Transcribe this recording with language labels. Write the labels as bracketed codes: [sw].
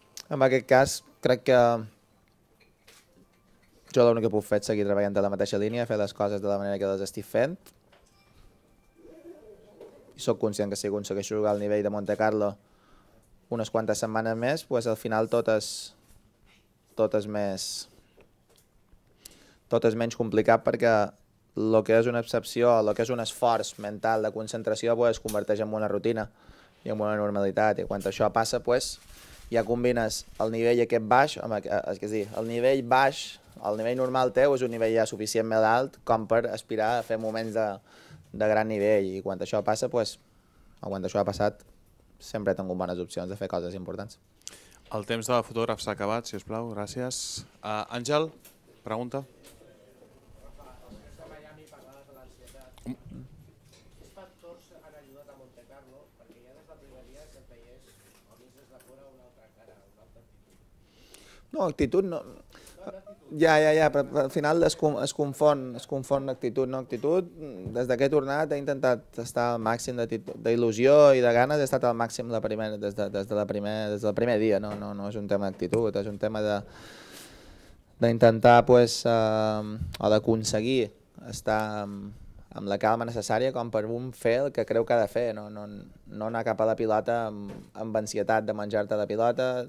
[ca] En aquest cas, crec que jo l'únic que puc fer és seguir treballant de la mateixa línia, fer les coses de la manera que les estic fent. Soc conscient que si aconsegueixo jugar al nivell de Monte Carlo unes quantes setmanes més, al final tot és menys complicat, perquè [es] lo que es una excepción, lo que es un esfuerzo mental de concentración, pues se convierte en una rutina y en una normalidad. Y cuando eso pasa, pues ya combinas el nivel [ca] aquest baix, es dir, el nivel baix, [es] el nivel normal teu es un nivel ya suficientemente alto como para aspirar a hacer momentos de gran nivel. Y cuando eso pasa, pues, o cuando eso ha pasado, siempre tengo buenas opciones de hacer cosas importantes. [ca] El temps de fotògrafs s'ha acabat, si us plau, gràcies. Àngel, pregunta. [es] No, actitud no. Ya, pero al final [ca] es confon [es] actitud, no actitud. [ca] Desde que he tornat he intentat estar al màxim de il·lusió i de ganes, he estat al màxim des del primer dia, no, no, no és un tema d'actitud, és un tema de intentar pues o d'aconseguir estar amb la calma necessària com per un fer el que creu que ha de fer, no anar cap a la pilota amb ansietat de menjar-te la pilota.